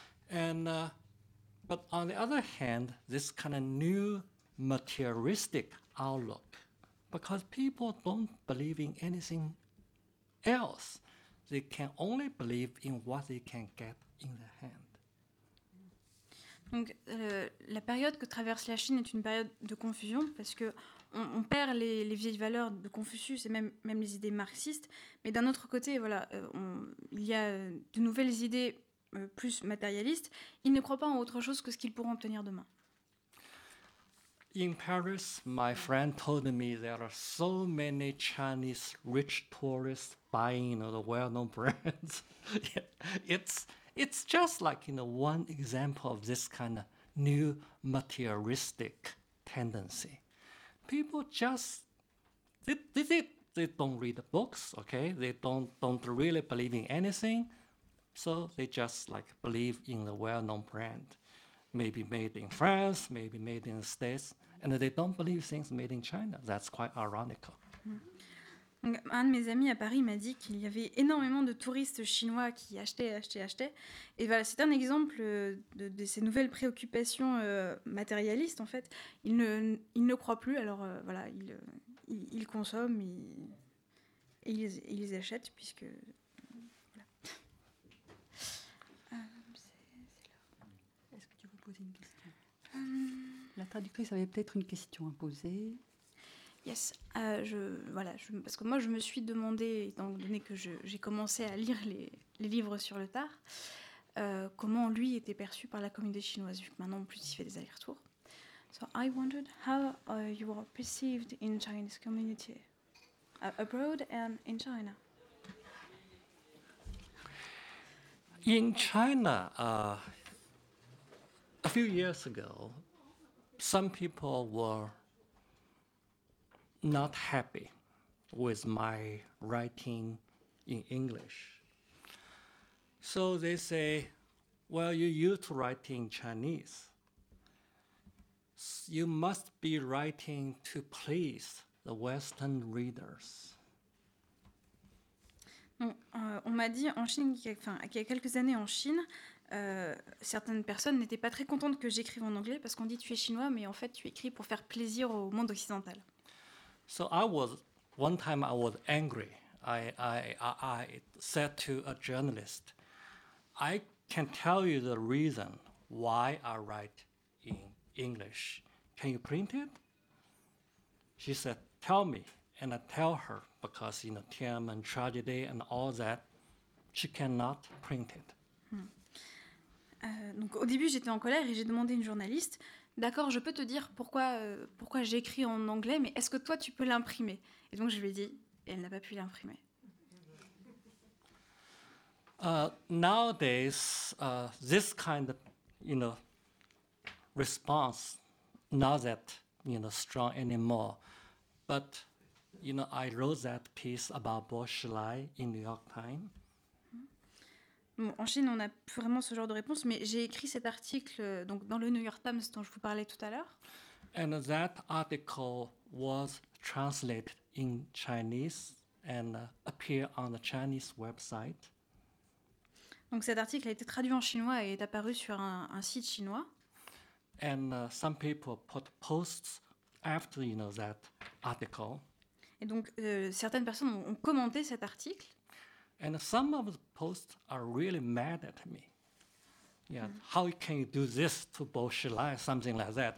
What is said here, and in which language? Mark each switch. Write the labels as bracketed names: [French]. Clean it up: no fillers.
[English] And, but on the other hand, this kind of new materialistic outlook, because people don't believe in anything else, they can only believe in what they can get in their hand. [French] Donc la période que traverse la Chine est une période de confusion parce que on perd les vieilles valeurs de Confucius et même les idées marxistes. Mais d'un autre côté, voilà, il y a de nouvelles idées plus matérialistes. Ils ne croient pas en autre chose que ce qu'ils pourront obtenir demain. [English] In Paris, my friend told me there are so many Chinese rich tourists buying, you know, the well-known brands. It's just like, you know, one example of this kind of new materialistic tendency. People just, they don't read the books, okay? They don't really believe in anything. So they just like believe in the well-known brand, maybe made in France, maybe made in the States. And they don't believe things made in China. That's quite ironical. [French] Donc, un de mes amis à Paris m'a dit qu'il y avait énormément de touristes chinois qui achetaient. Et voilà, c'est un exemple de ces nouvelles préoccupations matérialistes, en fait. Ils ne croient plus, alors voilà, ils consomment et ils achètent, puisque... Voilà. C'est là. Est-ce que tu veux poser une question? La traductrice avait peut-être une question à poser. Yes, parce que moi je me suis demandé, étant donné que j'ai commencé à lire les livres sur le tard, comment lui était perçu par la communauté chinoise, vu que maintenant en plus il fait des allers-retours. [English] So I wondered how you were perceived in Chinese community, abroad and in China. In China, a few years ago, some people were not happy with my writing in English. So they say, well, you're used to writing Chinese. You must be writing to please the Western readers. [French] Donc, on m'a dit en Chine, qu'il y a quelques années en Chine, certaines personnes n'étaient pas très contentes que j'écrive en anglais parce qu'on dit tu es chinois, mais en fait tu écris pour faire plaisir au monde occidental. [English] So one time I was angry. I said to a journalist, I can tell you the reason why I write in English. Can you print it? She said, tell me. And I tell her, because, you know, Tiananmen tragedy and all that, she cannot print it. [French] Donc au début, j'étais en colère et j'ai demandé à une journaliste, d'accord, je peux te dire pourquoi j'écris en anglais, mais est-ce que toi, tu peux l'imprimer? Et donc, je lui ai dit, et elle n'a pas pu l'imprimer. [English] Nowadays, this kind of, you know, response not that, you know, strong anymore. But, you know, I wrote that piece about Bo Xilai in New York Times. [French] Bon, en Chine, on a vraiment ce genre de réponse, mais j'ai écrit cet article donc dans le New York Times dont je vous parlais tout à l'heure. [English] And that article was translated in Chinese and appeared on the Chinese website. [French] Donc cet article a été traduit en chinois et est apparu sur un site chinois. [English] And some people put posts after, you know, that article. [French] Et donc certaines personnes ont commenté cet article. [English] And some of the posts are really mad at me. Yeah, how can you do this to Bo Xilai, something like that?